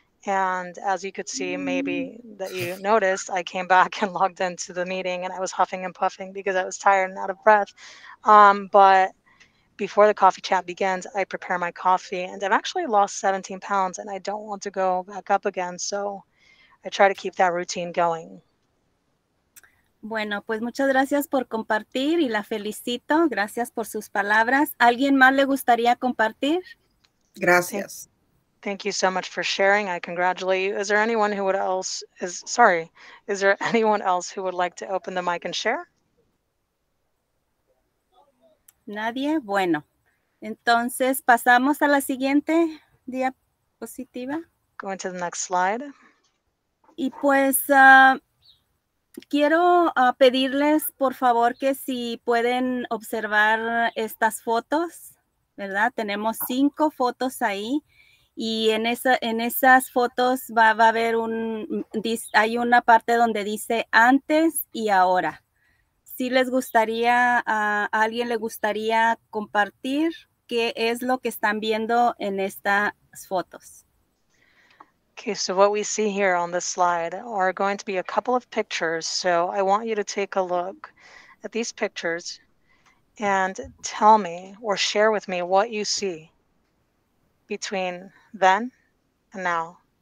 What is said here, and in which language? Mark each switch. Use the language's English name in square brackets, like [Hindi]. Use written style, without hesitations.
[English] And as you could see, maybe that you noticed, I came back and logged into the meeting and I was huffing and puffing because I was tired and out of breath. But before the coffee chat begins, I prepare my coffee and I've actually lost 17 pounds and I don't want to go back up again. So I try to keep that routine going. [Spanish] Bueno, pues muchas gracias por compartir y la felicito. Gracias por sus palabras. ¿Alguien más le gustaría compartir? Gracias. [English] Thank you so much for sharing. I congratulate you. Is there anyone else who would like to open the mic and share? [Spanish] Nadie. Bueno. Entonces, pasamos a la siguiente diapositiva. [English] Going to the next slide. [Spanish] Y pues quiero pedirles, por favor, que si pueden observar estas fotos, ¿verdad? Tenemos 5 fotos ahí. Y en esas fotos va a haber hay una parte donde dice antes y ahora. si les gustaría, a alguien le gustaría compartir qué es lo que están viendo en estas fotos. [English] Okay, so what we see here on the slide are going to be a couple of pictures. So I want you to take a look at these pictures and tell me or share with me what you see between then and now.